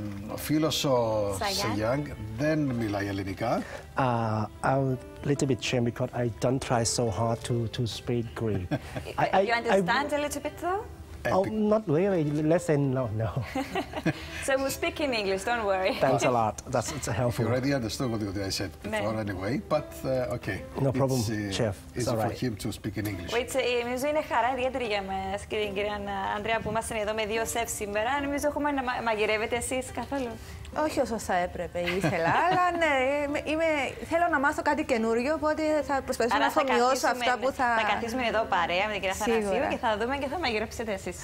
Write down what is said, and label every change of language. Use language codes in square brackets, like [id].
[el] Ο φίλος ο Σαϊάν δεν μιλάει ελληνικά. [en] I'm a little bit shame because I don't try so hard to speak Greek. You understand a little bit though? Not really. Less than no. So we'll speak in English. Don't worry. Thanks a lot. That's helpful. You already understood what I said before, anyway. But okay. No problem, chef. It's all right. For him to speak in English. [el] Wait, νομίζω είναι χαρά ιδιαίτερη για μας, κύριε Αντρέα, που είμαστε εδώ με δύο σεφ σήμερα. Νομίζω έχουμε να μαγειρεύετε εσείς καθόλου. Όχι όσο θα έπρεπε, ήθελα, αλλά ναι, θέλω να μάθω κάτι καινούριο, οπότε θα προσπαθήσω να αφομοιώσω αυτά που θα... Θα καθίσουμε εδώ παρέα με την κυρία Θανασίου και θα δούμε και θα μαγειρέψετε εσείς.